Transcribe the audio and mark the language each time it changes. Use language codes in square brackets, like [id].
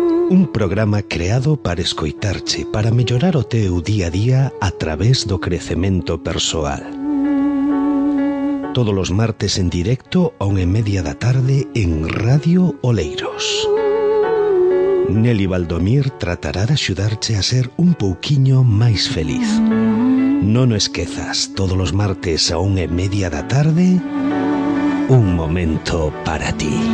[gl] Un programa creado para escoitarche, para mellorar o teu día a día a través do crecemento persoal. [es] Todos los martes en directo a 1:30 PM en Radio Oleiros. [gl] Nelly Baldomir tratará de axudarche a ser un pouquiño máis feliz. Non o esquezas, [es] todos los martes [gl] a 1:30 PM, un momento para ti.